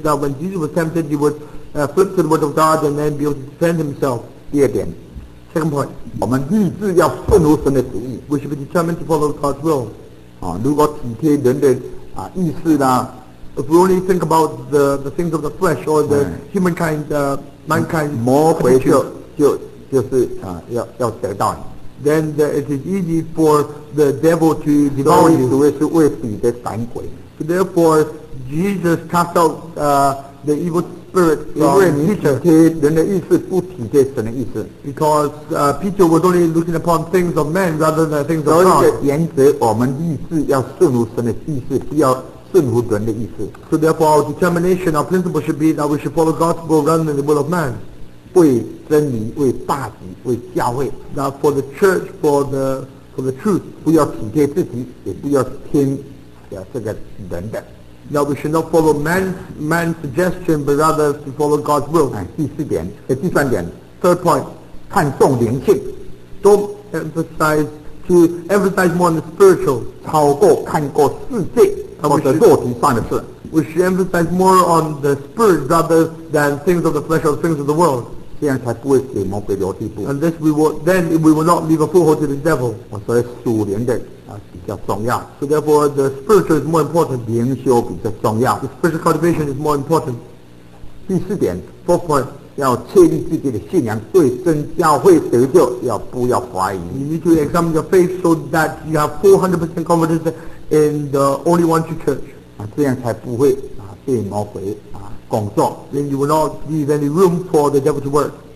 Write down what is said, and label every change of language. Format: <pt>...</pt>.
<en>That when Jesus was tempted, he would flip to the word of God and then be able to defend himself.</en> <zh>第二点,</zh> <en>Second point,</en> <zh>我们立志要顺服神的旨意,</zh> <en>we should be determined to follow God's will.</en> <zh>如果体贴人的, 意识啦,</zh> <en>if we only think about the things of the flesh or the humankind, mankind,</en> <zh>魔鬼就是要得到你,</zh> <en>then it is easy for the devil to devour you. So therefore, Jesus cast out the evil spirit because Peter was only looking upon things of men rather than things of God. So therefore our determination, our principle should be that we should follow God's will rather than the will of man.</en> <zh>为真理，为大局，为教会,</zh> <en>that for the church, for the truth,</en> <zh>不要体贴自己，也不要听这个人的。</zh> <en>Now we should not follow man's suggestion, but rather to follow God's will.</en> <zh>第三点,</zh> <en>third point,</en> <zh>看重灵性,</zh> <en>don't emphasize to emphasize more on the spiritual.</en> <zh>超过看过世界或者肉体上的事。</zh> <en>We should emphasize more on the spirit rather than things of the flesh or things of the world. And this we will not leave a foothold to the devil. So therefore the spiritual is more important. The spiritual cultivation is more important.</en> <zh>第四点,</zh> <en>fourth point.</en> <zh>要确立自己的信仰,对真教会得救,要不要怀疑。</zh> <en>You need to examine your faith so that you have 400% confidence in the only one true church.</en> <zh>这样才不会被魔鬼工作。</zh> <en>Then you will not leave any room for the devil to work.</en>